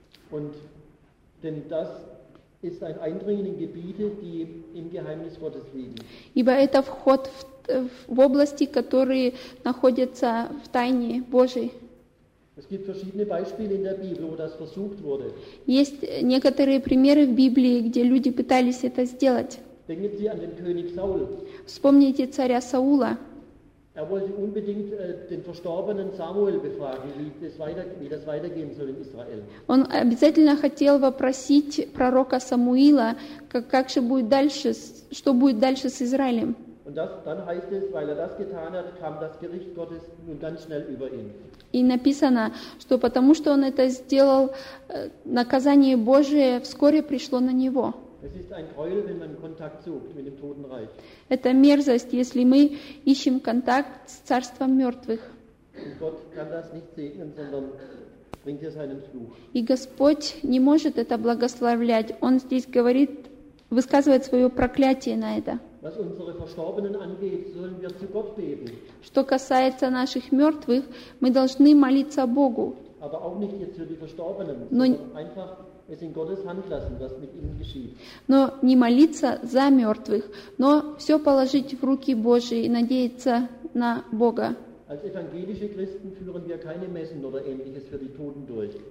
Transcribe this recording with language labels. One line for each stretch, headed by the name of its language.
German: Und denn das ist ein Eindringen in Gebiete, die im Geheimnis Gottes liegen.
Russian: Ибо это вход в области, которые находятся в тайне Божьей.
German: Es gibt verschiedene Beispiele in der Bibel, wo das versucht wurde.
Russian: Есть некоторые примеры в Библии, где люди пытались это сделать.
German: Denken Sie an den König Saul.
Russian: Вспомните царя Саула.
German: Er wollte unbedingt den verstorbenen Samuel befragen, wie das weitergehen soll in Israel.
Russian: Он обязательно хотел вопросить пророка Самуила, как же будет дальше, что будет дальше с Израилем.
German: Und das, dann heißt es, weil das getan hat, kam das Gericht Gottes nun ganz schnell über ihn.
Russian: И написано, что потому что он это сделал, наказание Божие вскоре пришло на него.
German: Es ist ein Gräuel, wenn man Kontakt sucht mit dem Totenreich.
Russian: Это мерзость, если мы ищем контакт с царством мертвых.
German: Und Gott kann das nicht segnen, sondern bringt hier seinen Fluch.
Russian: И Господь не может это благословлять. Он здесь говорит, высказывает свое проклятие на это.
German: Was unsere Verstorbenen angeht, sollen wir zu Gott beten.
Russian: Что касается наших мертвых, мы должны молиться Богу.
German: Aber auch nicht jetzt für die Verstorbenen, sondern einfach es in Gottes Hand lassen, was mit ihnen geschieht.
Russian: Но не молиться за мертвых, но все положить в руки Божьи и надеяться на Бога.
German: Als evangelische Christen führen wir keine Messen oder ähnliches für die Toten durch.